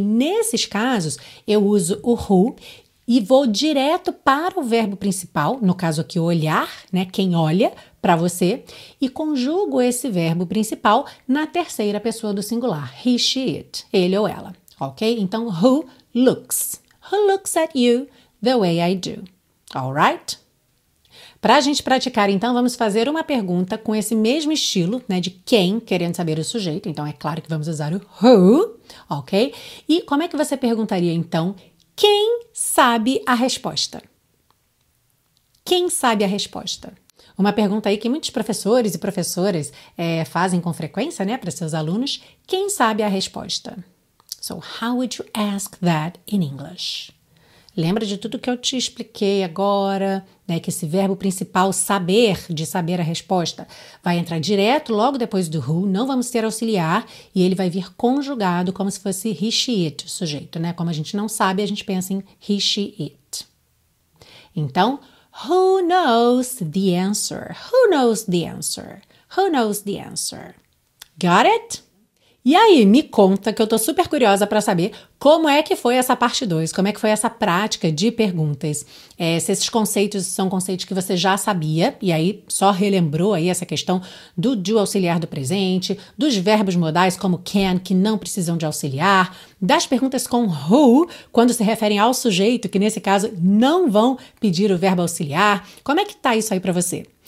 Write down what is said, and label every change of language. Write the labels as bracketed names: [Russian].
[Portuguese] Nesses casos, eu uso o who e vou direto para o verbo principal, no caso aqui, olhar, né? Quem olha para você, e conjugo esse verbo principal na terceira pessoa do singular, he, she, it, ele ou ela, ok? [English] Então, who looks? Who looks at you the way I do? All right? [Portuguese] Para a gente praticar, então, vamos fazer uma pergunta com esse mesmo estilo, né, de quem, querendo saber o sujeito. Então, é claro que vamos usar o who, ok? E como é que você perguntaria, então, quem sabe a resposta? Quem sabe a resposta? Uma pergunta aí que muitos professores e professoras fazem com frequência, né, para seus alunos. Quem sabe a resposta? [English] So, how would you ask that in English? [Portuguese] Lembra de tudo que eu te expliquei agora, né, que esse verbo principal saber, de saber a resposta, vai entrar direto logo depois do who, não vamos ter auxiliar, e ele vai vir conjugado como se fosse he, she, it, o sujeito, né? Como a gente não sabe, a gente pensa em he, she, it. [English] Então, who knows the answer? Who knows the answer? Who knows the answer? Got it? [Portuguese] E aí, me conta, que eu tô super curiosa para saber como é que foi essa parte 2, como é que foi essa prática de perguntas, se esses conceitos são conceitos que você já sabia, e aí só relembrou aí essa questão do do auxiliar do presente, dos verbos modais como can, que não precisam de auxiliar, das perguntas com who, quando se referem ao sujeito, que nesse caso não vão pedir o verbo auxiliar, como é que tá isso aí para você?